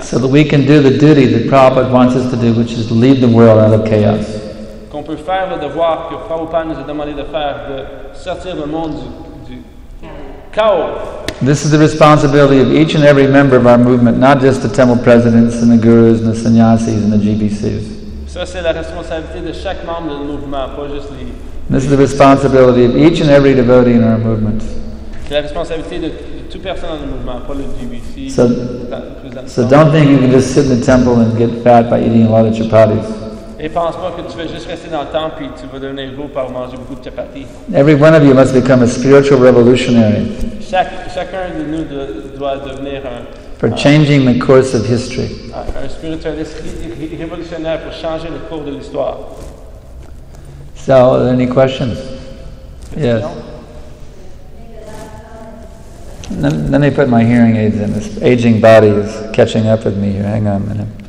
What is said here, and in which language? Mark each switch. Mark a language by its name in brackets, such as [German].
[English] So that we can do the duty that Prabhupada wants us to do, which is to lead the world out of chaos. [French] Qu'on peut faire le devoir que Prabhupada nous a demandé de faire, de sortir le monde du chaos. [English] This is the responsibility of each and every member of our movement, not just the temple presidents and the gurus and the sannyasis and the GBCs. [French] Ça, c'est la responsabilité de chaque membre du mouvement, pas juste les. [English] This is the responsibility of each and every devotee in our movement. [French] C'est la responsabilité de [English] two persons in the movement, Paul and GBC. So don't think you can just sit in the temple and get fat by eating a lot of chapatis. [French] Et pense pas que tu vas juste rester dans le temple et tu vas devenir gros par manger beaucoup de chapatis. [English] Every one of you must become a spiritual revolutionary. [French] Chacun de nous doit devenir un. [English] For changing the course of history. [French] Un spiritualiste révolutionnaire pour changer le cours de l'histoire. [English] So, are there any questions? Yes. Let me put my hearing aids in. This aging body is catching up with me here. Hang on a minute.